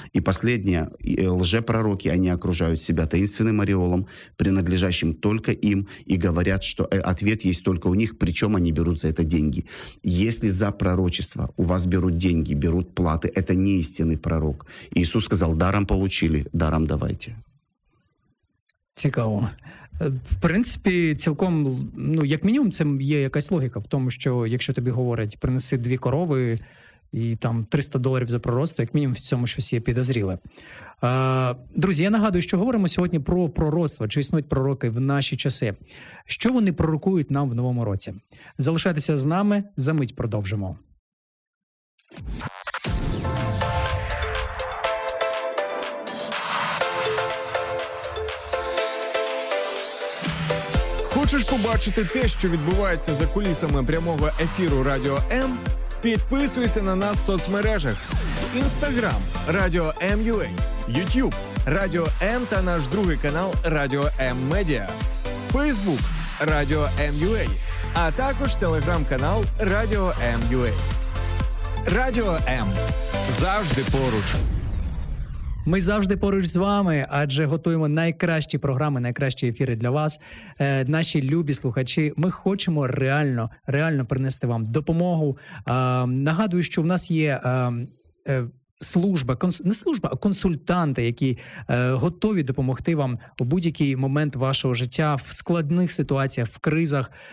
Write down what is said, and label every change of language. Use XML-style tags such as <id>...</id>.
<ru>И последнее, лжепророки, они окружают себя таинственным ореолом, принадлежащим только им, и говорят, что ответ есть только у них, причем они берут за это деньги. Если за пророчество у вас берут деньги, берут платы, это не истинный пророк. Иисус сказал, даром получили, даром давайте.</ru> <uk>Цікаво. В принципі, цілком, ну, як мінімум, це є якась логіка в тому, що якщо тобі говорять, принеси дві корови, і там $300 за пророцтво, як мінімум в цьому щось є підозріле. Друзі, я нагадую, що говоримо сьогодні про пророцтво, чи існують пророки в наші часи. Що вони пророкують нам в новому році? Залишайтеся з нами, за мить продовжимо. Хочеш побачити те, що відбувається за кулісами прямого ефіру Радіо М? Підписуйся на нас в соцмережах. Instagram – Radio M.UA, YouTube – Radio M та наш другий канал Radio M Media, Facebook – Radio M.UA, а також телеграм-канал Radio M.UA. Radio M – завжди поруч. Ми завжди поруч з вами, адже готуємо найкращі програми, найкращі ефіри для вас. Наші любі слухачі, ми хочемо реально, реально принести вам допомогу. Нагадую, що в нас є служба, не служба, а консультанти, які готові допомогти вам у будь-який момент вашого життя, в складних ситуаціях, в кризах.</uk>